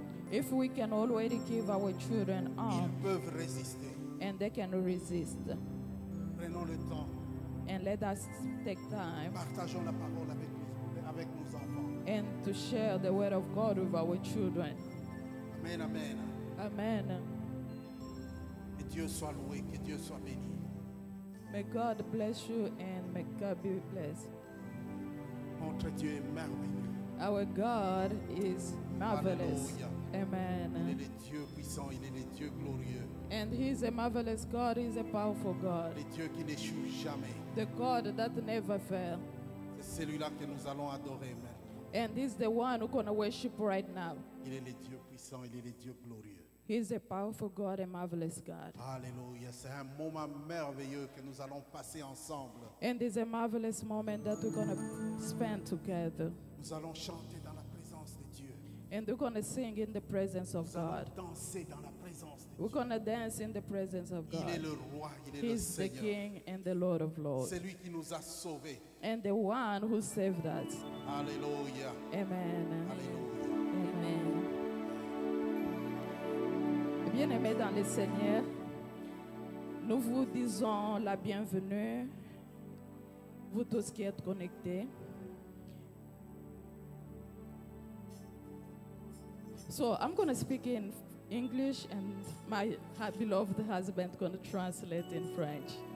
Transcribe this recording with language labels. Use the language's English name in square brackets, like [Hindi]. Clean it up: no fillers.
[English] If we can already give our children arms, [French] ils peuvent résister. [English] And they can resist. [French] Prenons le temps. [English] And let us take time. [French] Partageons la parole avec nos enfants. [English] And to share the word of God with our children. Amen, amen. Amen. [French] Que Dieu soit loué, que Dieu soit béni. [English] May God bless you and may God be blessed. [French] Notre Dieu est merveilleux. [English] Our God is marvelous. Amen. [French] Il est le Dieu puissant, il est le Dieu glorieux. [English] And he is a marvelous God, he is a powerful God. [French] Le Dieu qui n'échoue jamais. [English] The God that never fails. [French] C'est celui-là que nous allons adorer maintenant. [English] And he is the one who can worship right now. [French] Il est le Dieu puissant, il est le Dieu glorieux. [English] He is a powerful God, a marvelous God. [French] Alléluia, c'est un moment merveilleux que nous allons passer ensemble. [English] And it's a marvelous moment that we're going to spend together. [French] Nous allons chanter dans la présence de Dieu. [English] And we're going to sing in the presence of God. [French] Nous allons danser dans la présence de Dieu. [English] We're going to dance in the presence of God. [French] Il est le roi, il est le Seigneur. [English] He's the King and the Lord of Lords. [French] C'est lui qui nous a sauvés. [English] And the one who saved us. Alléluia. Amen. Alléluia. Amen. [French] Bien-aimés dans le Seigneur, nous vous disons la bienvenue, vous tous qui êtes connectés. [English] So, I'm going to speak in English and my beloved husband is going to translate in French.